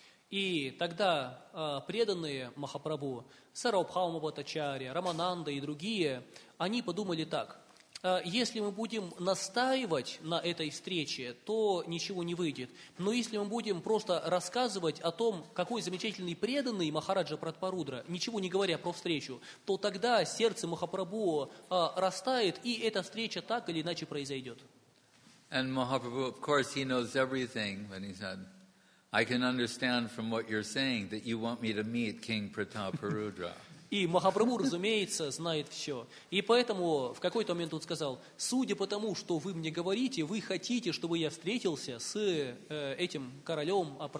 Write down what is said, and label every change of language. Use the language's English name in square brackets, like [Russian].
[Russian] И тогда преданные Махапрабху, Сарвабхаума Бхаттачарья, Рамананда и другие, они подумали так. Если мы будем настаивать на этой встрече, то ничего не выйдет. Но если мы будем просто рассказывать о том, какой замечательный преданный Махараджа Пратапарудра, ничего не говоря про встречу, то тогда сердце Махапрабху растает, и эта встреча так или иначе произойдет. [English] And Mahaprabhu, of course, he knows everything, when he said, I can understand from what you're saying that you want me to meet King Prataparudra. [Russian] И Махапрабху, разумеется, знает все. И поэтому в какой-то момент он сказал, судя по тому, что вы мне говорите, вы хотите, чтобы я встретился с этим королем